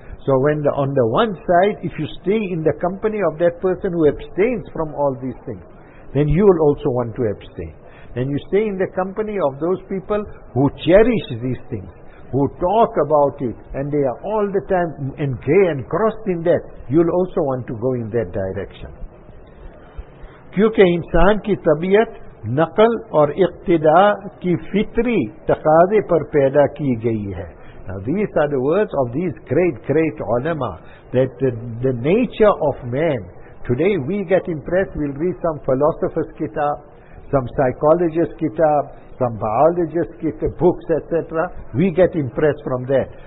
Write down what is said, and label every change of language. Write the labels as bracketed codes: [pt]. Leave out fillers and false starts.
[en] So when on the one side, if you stay in the company of that person who abstains from all these things, then you will also want to abstain. And you stay in the company of those people who cherish these things, who talk about it, and they are all the time engaged and crossed in that, you'll also want to go in that direction. [ur] کیونکہ انسان کی طبیعت نقل اور اقتداء کی فطری تقاضے پر پیدا کی گئی ہے. [en] Now these are the words of these great ulama, that the nature of man. Today we get impressed, we'll read some philosopher's kitab, some psychologist's kitab, some biologist's kitab, books, etc. We get impressed from that.